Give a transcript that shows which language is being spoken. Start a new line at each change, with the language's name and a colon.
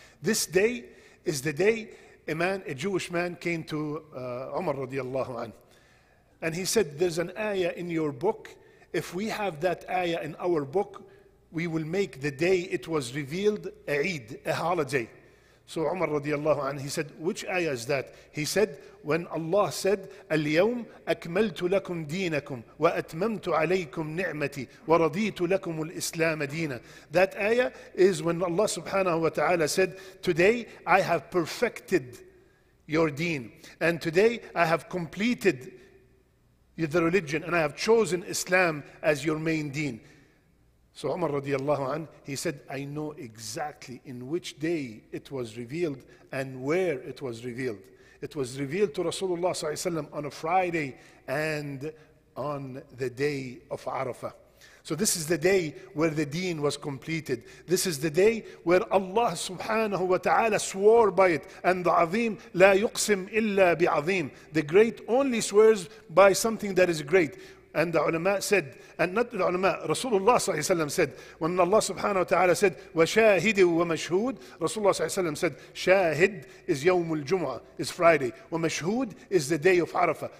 English: This day is the day a Jewish man came to Umar radiallahu anhu, and he said, there's an ayah in your book. If we have that ayah in our book, we will make the day it was revealed a Eid, a holiday. So Umar radiallahu anhu, he said, which ayah is that? He said, when Allah said,
Arabic: اليوم أكملت لكم دينكم وأتممت عليكم نعمتي ورضيت لكم الإسلام دينا.
English: That ayah is when Allah subhanahu wa ta'ala said, today I have perfected your deen, and today I have completed the religion, and I have chosen Islam as your main deen. So Umar radiallahu anhu, he said, I know exactly in which day it was revealed and where it was revealed. It was revealed to Rasulullah sallallahu alayhi wa sallam on a Friday and on the day of Arafah. So this is the day where the deen was completed. This is the day where Allah subhanahu wa ta'ala swore by it. And the azim,
Arabic: لا يقسم إلا بعظيم.
English: The great only swears by something that is great. And the ulama said, and not the ulama, Rasulullah sallallahu alayhi wa sallam said, when Allah subhanahu wa ta'ala said,
Arabic: وَشَاهِدِ وَمَشْهُود,
English: Rasulullah sallallahu alayhi wa sallam said, شَاهِد is
Arabic: يَوْمُ الْجُمْعَةِ,
English: is Friday, وَمَشْهُود is the day of Arafah.